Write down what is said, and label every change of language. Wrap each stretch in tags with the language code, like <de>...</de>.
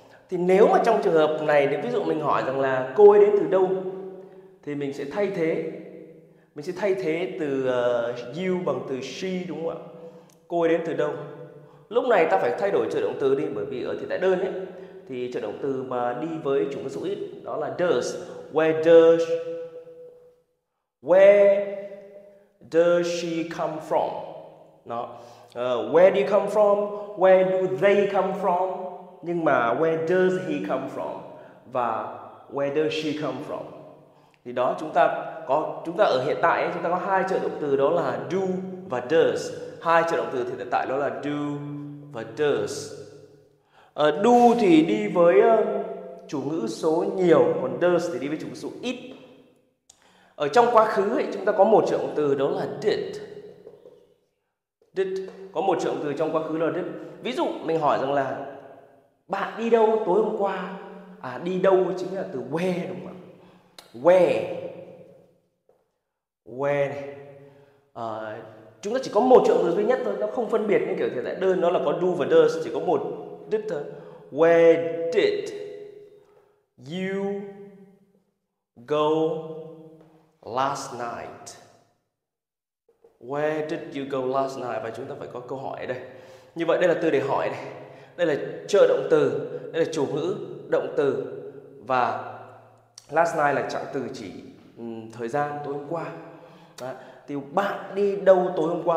<vi>Thì nếu mà trong trường hợp này thì ví dụ mình hỏi rằng là cô ấy đến từ đâu thì mình sẽ thay thế, mình sẽ thay thế từ you bằng từ she, đúng không ạ? Cô ấy đến từ đâu? Lúc này ta phải thay đổi trợ động từ đi, bởi vì ở hiện tại đơn ấy thì trợ động từ mà đi với chủ ngữ số ít đó là does.</vi> <en>Where does, where does she come from? Nó where do you come from, where do they come from,</en> <vi>nhưng mà</vi> <en>where does he come from và where does she come from.</en> <vi>Thì đó, chúng ta ở hiện tại ấy, chúng ta có hai trợ động từ, đó là do và does. Hai trợ động từ thì hiện tại đó là do và does. Do thì đi với chủ ngữ số nhiều, còn does thì đi với chủ ngữ số ít. Ở trong quá khứ ấy, chúng ta có một trợ động từ, đó là did. Did, có một trợ động từ trong quá khứ là did. Ví dụ mình hỏi rằng là bạn đi đâu tối hôm qua. À, đi đâu chính là từ where, đúng không ạ? Where, where này. Chúng ta chỉ có một trợ động từ duy nhất thôi, nó không phân biệt như kiểu thể tại đơn, nó là có do và does, chỉ có một.</vi> <en>Where did you go last night? Where did you go last night?</en> <vi>Và chúng ta phải có câu hỏi ở đây. Như vậy đây là từ để hỏi này. Đây là trợ động từ, đây là chủ ngữ, động từ. Và last night là trạng từ chỉ thời gian, tối hôm qua. Đó. Thì bạn đi đâu tối hôm qua?</vi>